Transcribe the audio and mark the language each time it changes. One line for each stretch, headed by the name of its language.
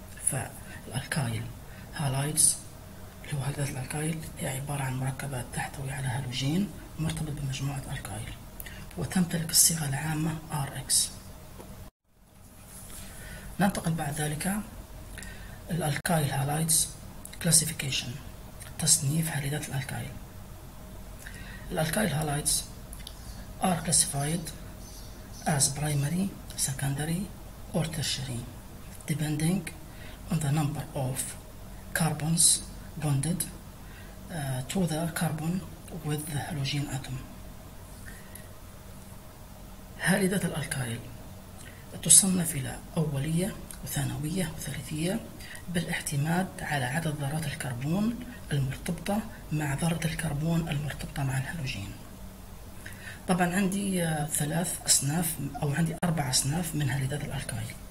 Arabic: فالالكايل هالايدز اللي هو هالايدات الالكايل هي عباره عن مركبات تحتوي على هالوجين مرتبط بمجموعه الكايل، وتمتلك الصيغه العامه ار اكس. ننتقل بعد ذلك
English: الالكايل halides classification,
Arabic: تصنيف هاليدات الالكايل.
English: الالكايل halides are classified as primary, secondary, or tertiary, depending on the number of carbons bonded to the carbon with the halogen atom.
Arabic: هاليدات الألكايل تصنف إلى أولية وثانوية وثالثية بالاعتماد على عدد ذرات الكربون المرتبطة مع ذرة الكربون المرتبطة مع الهالوجين. طبعا عندي ثلاث أصناف، أو عندي أربع أصناف من هاليدات الألكايل.